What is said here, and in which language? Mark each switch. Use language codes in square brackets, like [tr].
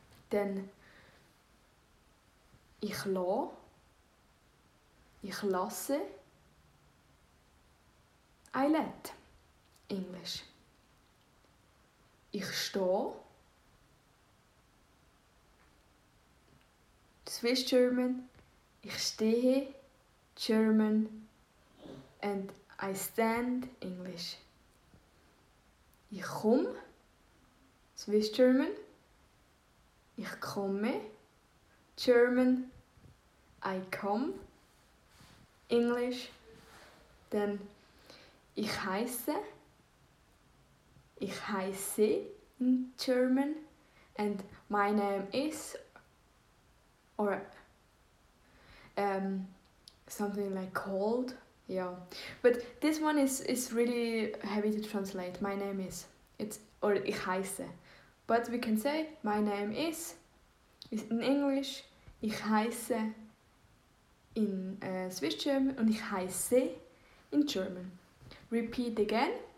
[en] Then [de] ich lasse, ich lasse, [en] I let English. [de] Ich stehe, Swiss German, ich stehe. [en] German and I stand English. [de] Ich komme, Swiss German. Ich komme, German. [en] I come, English. Then [de] ich heiße [en] in German. And my name is, or, something like called, yeah. But this one is really heavy to translate. My name is, it's, or [de] ich heiße. [en] But we can say, my name is in English, [de] ich heiße [en] in Swiss German, [de] und ich heiße [en] in German. Repeat again.